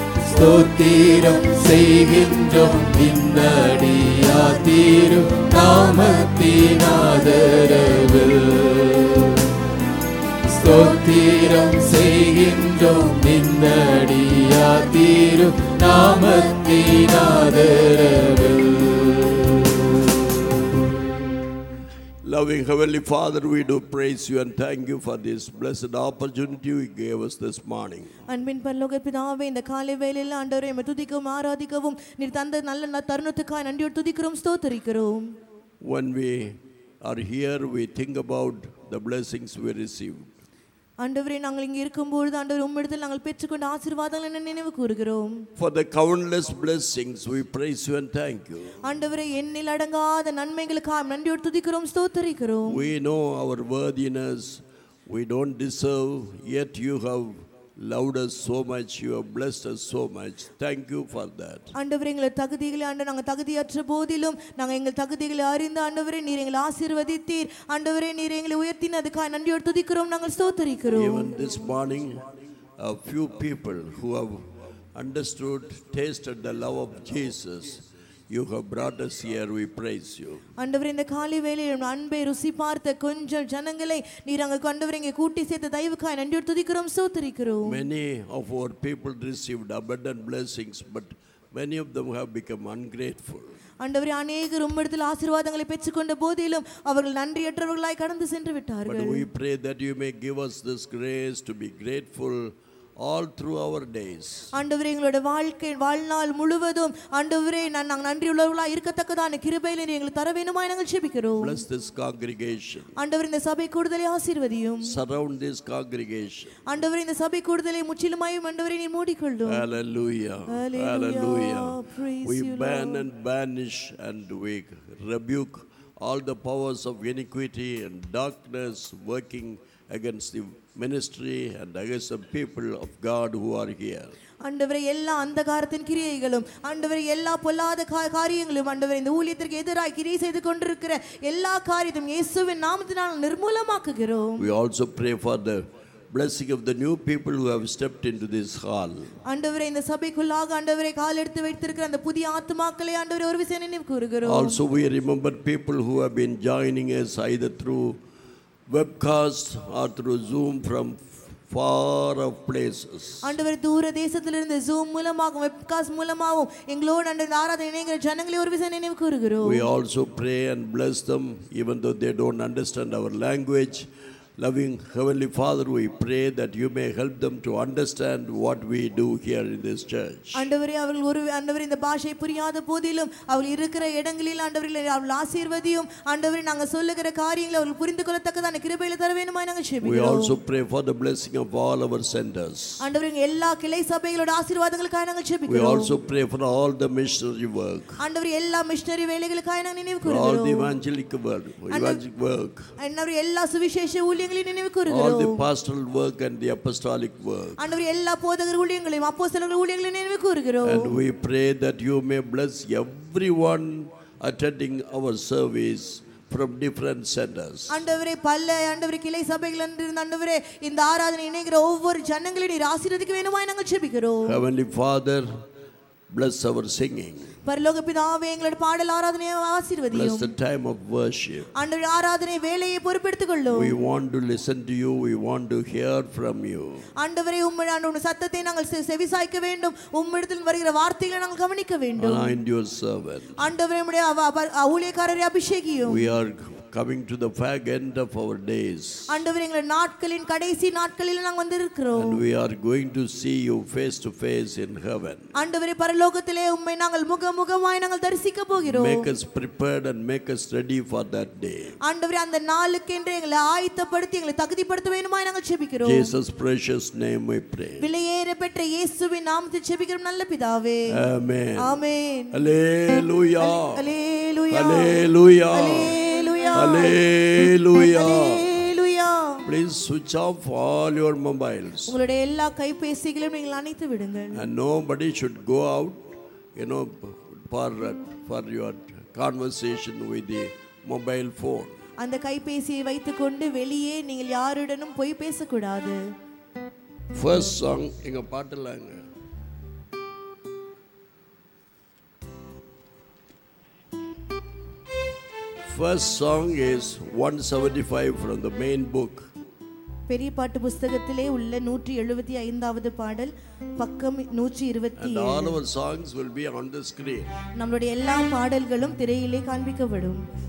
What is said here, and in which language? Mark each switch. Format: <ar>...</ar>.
<ta>ஸ்தோத்திரம் செய்கின்றோம் நின்னடியா தீரும் நாமத்தினாதரவில் ஸ்தோத்திரம் செய்கின்றோம் நின்னடியா தீரும் நாமத்தினாதரவில்</ta> <en>Loving Heavenly Father, we do praise you and thank you for this blessed opportunity you gave us this morning.</en> <ta>அன்பின் பரலோக பிதாவே, இந்த காலை வேளையில் ஆண்டவரே உம்மை துதிக்கவும் ஆராதிக்கவும் நீர் தந்த நல்ல தருணத்துக்காய் நன்றியோடு துதிக்கிறோம் ஸ்தோத்திரிக்கிறோம்.</ta> <en>When we are here, we think about the blessings we received.</en> <ta>ஆண்டவரே, நாங்கள் இங்கே இருக்கும்பொழுது ஆண்டவர் உம்மிடத்தில் நாங்கள் பெற்றுக்கொண்ட ஆசீர்வாதங்களை நினைவு கூறுகிறோம்.</ta> <en>For the countless blessings, we praise you and thank you.</en> <ta>ஆண்டவரே, எண்ணில் அடங்காத நன்மைகளுக்காக நன்றியோடு துதிக்கிறோம் ஸ்தோத்திரிக்கிறோம்.</ta> <en>We know our worthiness, we don't deserve, yet you have loved us so much, you have blessed us so much. Thank you for that.</en> <ta>ஆண்டவரே, எங்கள் தகுதிகளை ஆண்ட நாங்கள் தகுதியற்ற போதிலும் நாங்கள் எங்கள் தகுதிகளை அறிந்து ஆண்டவரே நீர் எங்களை ஆசீர்வதித்தீர். ஆண்டவரே, நீர் எங்களை உயர்த்தின் அதுக்காக நன்றியோடு துதிக்கிறோம், நாங்கள் ஸ்தோத்தரிக்கிறோம்.</ta> <en>Even this morning, a few people who have understood, tasted the love of Jesus, you have brought us here, we praise you.</en> <ta>ஆண்டவரே, இந்த காலை வேளையில் அன்பை ருசி பார்த்த கொஞ்சம் ஜனங்களை நீர் அங்கே கொண்டவரை இங்கே கூட்டி சேர்த்த தயவுக்காய் நன்றியோடு துதிக்கிறோம் ஸ்தோத்திரிக்கிறோம்.</ta> <en>Many of our people received abundant blessings, but many of them have become ungrateful.</en> <ta>ஆண்டவரே, அநேகர் உம்மிடத்தில் ஆசீர்வாதங்களை பெற்றுக்கொண்ட போதிலும் அவர்கள் நன்றியற்றவர்களாய் கடந்து சென்று விட்டார்கள்.</ta> <en>But we pray that you may give us this grace to be grateful all through our days.</en> <ta>ஆண்டவரே, எங்களோட வாழ்க்கை வாழ்நாள் முழுவதும் ஆண்டவரே நாங்கள் நன்றி உள்ளவர்களாக இருக்கத்தக்கதான கிருபையில் நீர் எங்களுக்கு தர வேண்டுமா, நாங்கள் ஜெபிக்கிறோம்.</ta> <en>Bless this congregation.</en> <ta>ஆண்டவரே, இந்த சபை கூடுதலை ஆசீர்வதியும்.</ta> <en>Surround this congregation.</en> <ta>ஆண்டவரே, இந்த சபை கூடுதலை முற்றிலுமாயும் ஆண்டவரே நீர் மூடிக்கொள்ளும்.</ta> <en>Hallelujah. Hallelujah. We ban and banish and we rebuke all the powers of iniquity and darkness working against the ministry and against the people of God who are here.</en> <ta>ஆண்டவரே, எல்லா அந்தகாரத்தின் கிரியைகளும் ஆண்டவரே எல்லா பொல்லாத காரியங்களும் ஆண்டவரே இந்த ஊழியத்திற்கு எதிராக கிரியை செய்து கொண்டிருக்கிற எல்லா காரியத்தையும் இயேசுவின் நாமத்தினால் நிர்மூலமாக்குகிறோம்.</ta> <en>We also pray for the blessing of the new people who have stepped into this hall.</en> <ta>ஆண்டவரே, இந்த சபைக்குள்ளாக ஆண்டவரே கால் எடுத்து வைத்திருக்கிற அந்த புதிய ஆத்துமாக்களை ஆண்டவரே ஒரு விசேஷ நினைவு கூறுகிறோம்.</ta> <en>Also we remember people who have been joining us either through webcast or through Zoom from far off places.</en> <ta>ஆண்டவரே, தூர தேசத்திலிருந்து Zoom மூலமாகவும் webcast மூலமாகவும் எங்களோடு அந்த ஆராதனை இணைகிற ஜனங்களை ஒரு விசேஷ நினைவு கூறுகிறோம்.</ta> <en>We also pray and bless them even though they don't understand our language. Loving Heavenly Father, we pray that you may help them to understand what we do here in this church.</en> <ta>ஆண்டவரே, அவர்கள் ஒரு ஆண்டவரே இந்த பாஷை புரியாத போதிலும் அவர்கள் இருக்கிற இடங்களில் ஆண்டவரே அவர்கள் ஆசீர்வதியும் ஆண்டவரே நாங்கள் சொல்லுகிற காரியங்களை அவர்கள் புரிந்து கொள்ளத்தக்கதான கிருபையில தர வேண்டுமா, நாங்கள் ஜெபிக்கிறோம்.</ta> <en>We also pray for the blessing of all our centers.</en> <ta>ஆண்டவரே, எல்லா கிளை சபைகளோட ஆசீர்வாதங்களுக்காக நாங்கள் ஜெபிக்கிறோம்.</ta> <en>We also pray for all the missionary work.</en> <ta>ஆண்டவரே, எல்லா மிஷனரி வேலைகளுக்காக நாங்கள் நினைவு கூறுகிறோம்.</ta> <en>All the evangelistic work.</en> <ta>ஆண்டவரே, எல்லா சுவிசேஷ</ta> <en>All the pastoral work and the apostolic work.</en> <ta>ஆண்டவரே, எல்லா போதகர் ஊழியங்களையும் அப்போஸ்தலர்கள் ஊழியங்களை நினைவு கூறுகிறோம்.</ta> <en>And we pray that you may bless everyone attending our service from different centers.</en> <ta>ஆண்டவரே, பல்ல ஆண்டவரே கிளை சபைகளிலிருந்து ஆண்டவரே இந்த ஆராதனை இணைகிற ஒவ்வொரு ஜனங்களை நீர் ஆசீர்வதிக்க வேண்டுமா, நாங்கள் ஜெபிக்கிறோம்.</ta> <en>Heavenly Father, bless our singing.</en> <ta>பரலோக பிதாவே, எங்களோட பாடல் ஆராதனையை ஆசீர்வதியும்.</ta> <en>Bless the time of worship.</en> <ta>ஆண்டவரே, ஆராதனை வேளையை பொறுப்பெடுத்துக் கொள்ளும்.</ta> <en>We want to listen to you, we want to hear from you.</en> <ta>ஆண்டவரே, உம்முடைய ஆண்டவரின் சத்தத்தை நாங்கள் செவிசாய்க்க வேண்டும். உம்மிடத்தில் வருகிற வார்த்தைகளை நாங்கள் கவனிக்க வேண்டும்.</ta> <en>Anoint your servant.</en> <ta>ஆண்டவரே, உம்முடைய ஊழியக்காரரை அபிஷேகியும்.</ta> <en>We are coming to the fag end of our days.</en> <ta>ஆண்டவரே, எங்களுடைய நாட்களின் கடைசி நாட்களில் நாங்கள் வந்திருக்கிறோம்.</ta> <en>And we are going to see you face to face in heaven.</en> <ta>ஆண்டவரே, பரலோகத்திலே உம்மை நாங்கள் முகமுகமாய் நாங்கள் தரிசிக்க போகிறோம்.</ta> <en>Make us prepared and make us ready for that day.</en> <ta>ஆண்டவரே, அந்த நாளுக்கென்று எங்களை ஆயத்தப்படுத்தி எங்களை தகுதிப்படுத்த வேண்டுமாய் நாங்கள் ஜெபிக்கிறோம்.</ta> <en>Jesus precious name we pray.</en> <ta>விலையேறப்பெற்ற இயேசுவின் நாமத்தில் ஜெபிக்கிறோம் நல்ல பிதாவே. ஆமென். ஆமென். அல்லேலூயா. அல்லேலூயா. அல்லேலூயா. அல்லேலூயா.</ta> <en>Please switch off all your mobiles.</en> <ta>உங்களுடைய எல்லா கைபேசிகளையும் நீங்கள் அணைத்து விடுங்கள்.</ta> <en>And nobody should go out, you know, for your conversation with the mobile phone.</en> <ta>அந்த கைபேசியை வைத்துக்கொண்டு வெளியே நீங்கள் யாருடனும் போய் பேசக்கூடாது.</ta> <en>First song,</en> <ta>எங்க பாட்டலாங்க.</ta> <en>First song is 175 from the main book.</en> <ta>பெரிய பாட்டு புத்தகத்திலே உள்ள 175வது பாடல் பக்கம் 127.</ta> <en>And all our songs will be on the screen.</en> <ta>நம்மளுடைய எல்லா பாடல்களும் திரையிலே காண்பிக்கப்படும்.</ta>